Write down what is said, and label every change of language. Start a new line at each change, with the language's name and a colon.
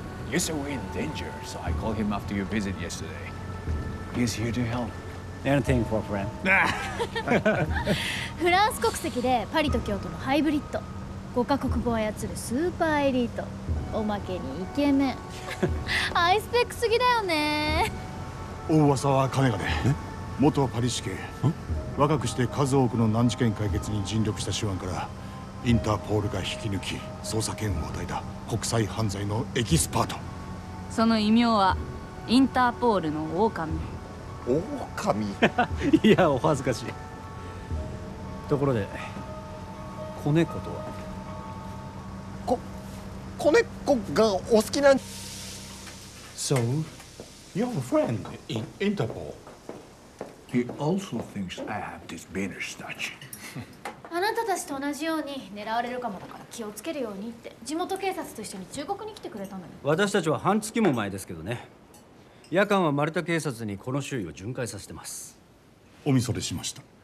English: You said we're in danger, so I called him after your visit yesterday. He's here to help. Anything for a friend.
Japanese: フランス国籍でパリと京都のハイブリッド。5カ国語を操るスーパーエリート。おまけにイケメン。ハイスペックすぎだよね。大噂は金がね。元はパリ市警。若くして数多くの難事件解決に尽力した手腕からインターポールが引き抜き捜査権を与えた国際犯罪のエキスパート。その異名はインターポールの狼。狼いやお恥ずかしい。ところで子猫とは。子猫がお好きな。
English: So you have a friend in Interpol? He also thinks I have this banner statue.
Japanese: あなたたちと同じように狙われるかもだから気をつけるようにって地元警察と一緒に忠告に来てくれたのに。私たちは半月も前ですけどね。夜間はマルタ警察にこの周囲を巡回させてます。お見それしました。